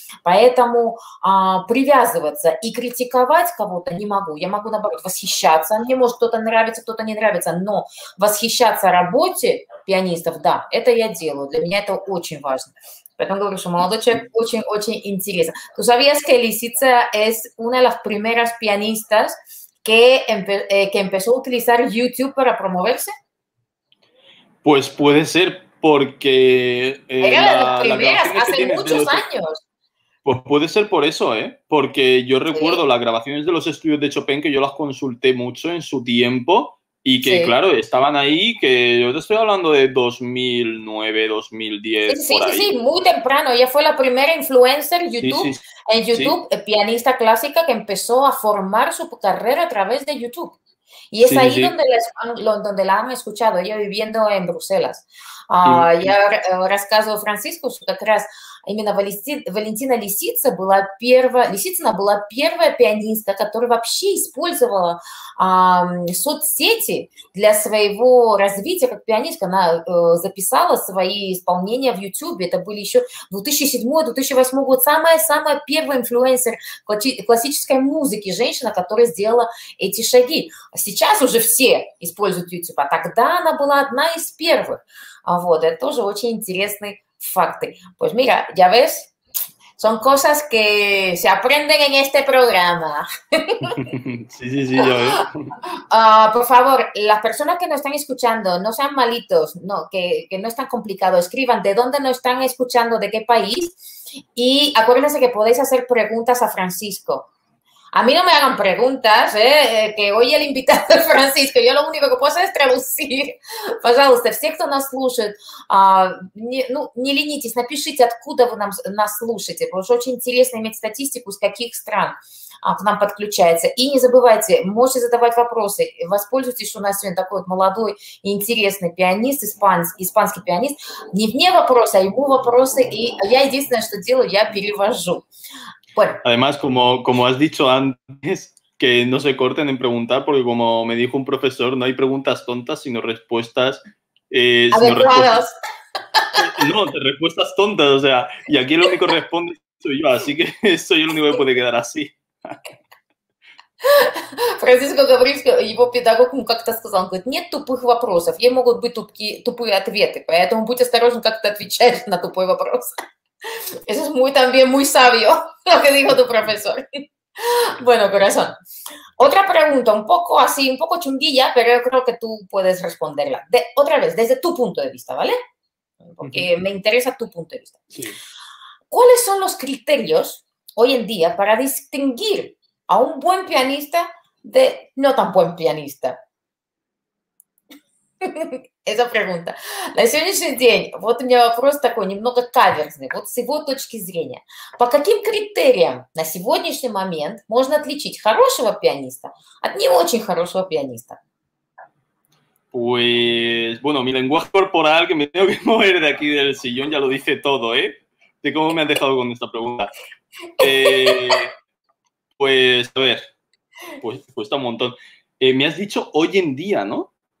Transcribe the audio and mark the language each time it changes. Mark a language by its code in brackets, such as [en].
[ru] Поэтому привязываться и критиковать кого-то не могу. Я могу, наоборот, восхищаться. Мне может кто-то нравится, кто-то не нравится. Но восхищаться работе пианистов, да, это я делаю. Для меня это очень важно. Поэтому говорю, что молодой человек очень-очень интересен. [es] Tú sabías que Lisitsa es una de las primeras pianistas que empezó a utilizar YouTube para promoverse? Pues puede ser porque... Era de las primeras hace muchos años. Pues puede ser por eso, ¿eh? Porque yo recuerdo las grabaciones de los estudios de Chopin que yo las consulté mucho en su tiempo y que, claro, estaban ahí, que yo te estoy hablando de 2009, 2010, Sí, muy temprano. Ella fue la primera influencer YouTube, pianista clásica que empezó a formar su carrera a través de YouTube. Y es ahí donde la han escuchado, ella viviendo en Bruselas. [ru] Я рассказываю Франциску, что как раз именно Валентина Лисица была первая, Лисицына была первая пианистка, которая вообще использовала соцсети для своего развития как пианистка. Она записала свои исполнения в YouTube. Это были еще 2007-2008 год. Самая первая инфлюенсер классической музыки, женщина, которая сделала эти шаги. Сейчас уже все используют YouTube, а тогда она была одна из первых. Вот, это тоже очень интересный факт. [es] Pues mira, ya ves, son cosas que se aprenden en este programa. Sí, ya ves. Por favor, las personas que nos están escuchando, no sean malitos, no, que no es tan complicado, escriban de dónde nos están escuchando, de qué país, y acuérdense que podéis hacer preguntas a Francisco. A mí no me hagan preguntas, que hoy el invitado Francisco, yo lo único que puedo hacer es traducir. [ru] Пожалуйста, все, кто нас слушает, не ленитесь, напишите, откуда вы нас слушаете, потому что очень интересно иметь статистику, из каких стран к нам подключается. И не забывайте, можете задавать вопросы, воспользуйтесь, что у нас сегодня такой вот молодой и интересный пианист, испанский пианист. Не мне вопросы, а ему вопросы, и я единственное, что делаю, я перевожу. [es] Bueno. Además, como has dicho antes, que no se corten en preguntar, porque como me dijo un profesor, no hay preguntas tontas, sino respuestas... adecuadas. No, respuestas tontas, o sea, y aquí el único que responde soy yo, así que soy el único que puede quedar así. [ru] Francisco Gavrilsky, его педагог, ему как-то сказал, он говорит, нет тупых вопросов, ей могут быть тупые ответы, поэтому будь осторожен, как ты отвечаешь на тупой вопрос. [es] Eso es muy también muy sabio lo que dijo tu profesor. Bueno, corazón. Otra pregunta, un poco así, un poco chunguilla, pero yo creo que tú puedes responderla. Otra vez, desde tu punto de vista, ¿vale? Porque uh-huh. me interesa tu punto de vista. Sí. ¿Cuáles son los criterios hoy en día para distinguir a un buen pianista de no tan buen pianista? Esa pregunta. [ru] На сегодняшний день, вот у меня вопрос такой, немного каверзный, вот с его точки зрения. По каким критериям на сегодняшний момент можно отличить хорошего пианиста от не очень хорошего пианиста? [es] Pues, bueno, mi lenguaje corporal, que me tengo que mover de aquí del sillón, ya lo dice todo, ¿eh? De cómo me han dejado con esta pregunta. Pues, a ver, pues cuesta un montón. Me has dicho hoy en día, ¿no?